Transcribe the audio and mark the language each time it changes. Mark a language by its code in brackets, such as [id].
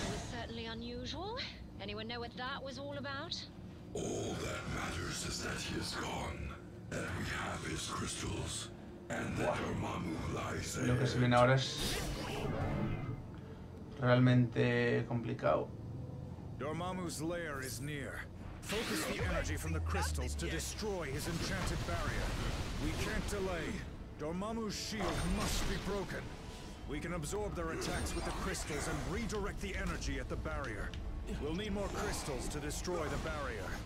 [en] Certainly unusual. Anyone know what that was all about? All that matters is that he is gone, that we have his crystals, and that Dormammu lies ahead. [es] Lo que se viene ahora es realmente complicado. [en] Dormammu's lair is near. Focus the energy from the crystals to destroy his enchanted barrier. We can't delay. Dormammu's shield must be broken. We can absorb their attacks with the crystals and redirect the energy at the barrier. We'll need more crystals to destroy the barrier.